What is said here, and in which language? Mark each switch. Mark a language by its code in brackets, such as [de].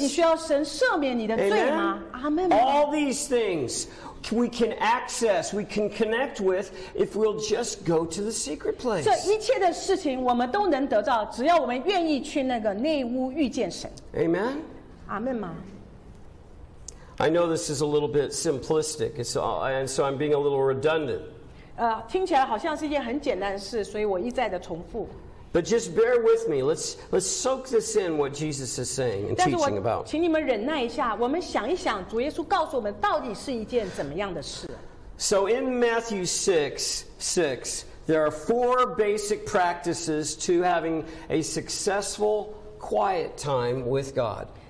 [zh] 你需要神赦免你的罪吗? [en] Amen. All these things we can access, we can connect with if we'll just go to the secret place. [zh] 这一切的事情我们都能得到, 只要我们愿意去那个内屋遇见神。 [en] Amen? [zh] Amen 吗? [en] I know this is a little bit simplistic, and so I'm being a little redundant. [zh] 听起来好像是一件很简单的事, 所以我一再的重复。 [en] But just bear with me. Let's soak this in what Jesus is saying and teaching about. [zh] 请你们忍耐一下,我们想一想主耶稣告诉我们到底是一件怎么样的事。 [en] So in Matthew 6:6, there are four basic practices to having a successful quiet time with God.